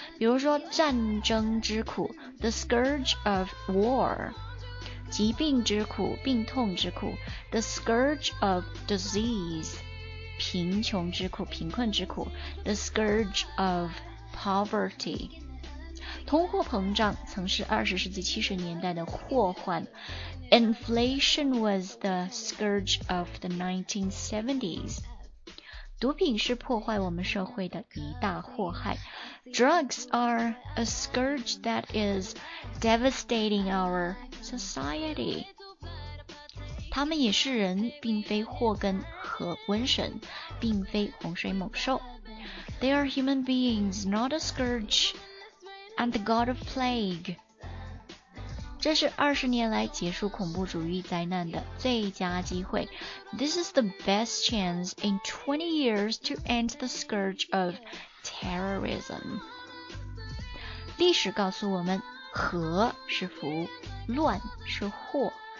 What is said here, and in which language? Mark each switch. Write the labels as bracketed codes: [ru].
[zh] 比如说战争之苦， [en] the scourge of war， [zh] 疾病之苦，病痛之苦， [en] The scourge of disease， [zh] 贫穷之苦，贫困之苦， [en] The scourge of poverty。 [zh] 通通货膨胀曾是20世纪70年代的祸患。 [en] Inflation was the scourge of the 1970s. [zh] 毒品是破坏我们社会的一大祸害。 [en] Drugs are a scourge that is devastating our society. [zh] 他们也是人，并非祸根和瘟神，并非洪水猛兽。 [en] They are human beings, not a scourge, and the god of plague. [zh] 这是二十年来结束恐怖主义灾难的最佳机会。 [en] This is the best chance in 20 years to end the scourge of terrorism. [zh] 历史告诉我们，和是福，乱是祸。